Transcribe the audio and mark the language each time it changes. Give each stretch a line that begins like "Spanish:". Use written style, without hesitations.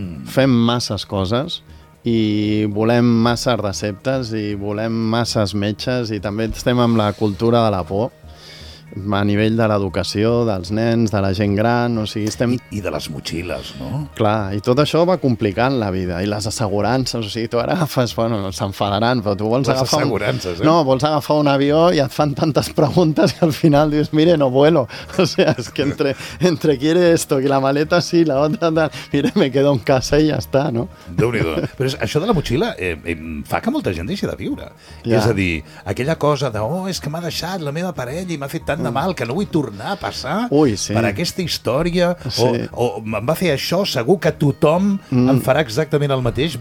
Catalan: Fem masses coses i volem masses receptes i volem masses metges, i també estem amb la cultura de la por a nivell de l'educació dels nens, de la gent gran, o sigui, estem... I de les motxilles, no? Clar, i tot això va complicant la vida, i les assegurances, o sigui, tu agafes, bueno, s'enfadaran, però tu vols les agafar... Les assegurances, un... No, vols agafar un avió i et fan tantes preguntes que al final dius,
Spanish: mire, no vuelo, o sea, es que entre quiere esto, y la maleta sí, la otra, tal. Mire, me quedo en casa
Catalan: i ja està,
Spanish: no?
Catalan: Déu-n'hi-do. Però és, això de la motxilla fa que molta gent deixi de viure. Ja. És a dir, aquella cosa de, oh, és que m'ha deixat la meva parella i m'ha fet tant de mal, que no vull tornar a passar per aquesta història, o em va fer això, segur que tothom em farà exactament el mateix.